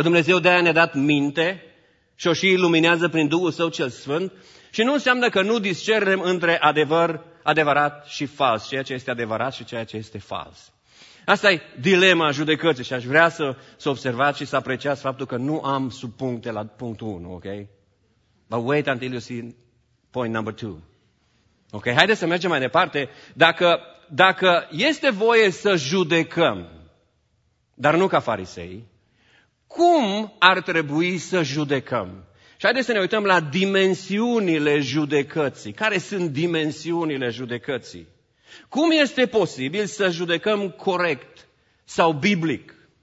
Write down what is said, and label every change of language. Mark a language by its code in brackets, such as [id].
[ro] Dar Dumnezeu de-aia ne-a dat minte și o și iluminează prin Duhul Său cel Sfânt și nu înseamnă că nu discernem între adevăr, adevărat și fals, ceea ce este adevărat și ceea ce este fals. Asta e dilema judecății și aș vrea să observați și să apreciați faptul că nu am subpuncte la punctul 1, ok? [en] But wait until you see point number 2. [ro] Ok, haideți să mergem mai departe. Dacă este voie să judecăm, dar nu ca farisei, cum ar trebui să judecăm? Și haideți să ne uităm la dimensiunile judecății. Care sunt dimensiunile judecății? Cum este posibil să judecăm corect sau biblic?